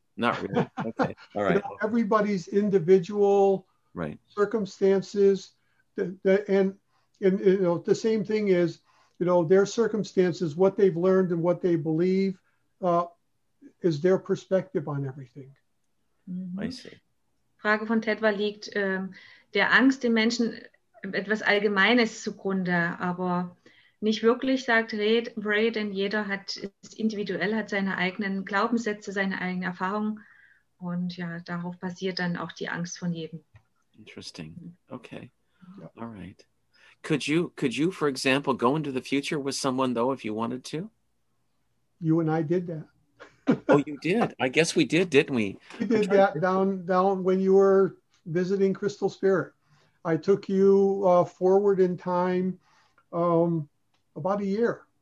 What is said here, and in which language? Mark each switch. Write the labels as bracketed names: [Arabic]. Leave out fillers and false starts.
[English] Not really. Okay. All right. You know, everybody's individual, right, circumstances. And you know, the same thing is, you know, their circumstances, what they've learned and what they believe, is their perspective on everything. Mm-hmm. I see. [German] Frage von Ted war, liegt der Angst den Menschen etwas Allgemeines zugrunde, aber nicht wirklich, sagt Ray, denn jeder hat es individuell, hat seine eigenen Glaubenssätze, seine eigenen Erfahrungen, und ja, darauf basiert dann auch die Angst von jedem. [English] Interesting. Okay. All right. Could you, for example, go into the future with someone, though, if you wanted to? You and I did that. Oh, you did. I guess we did, didn't we? We did that down when you were visiting Crystal Spirit. I took you forward in time about a year.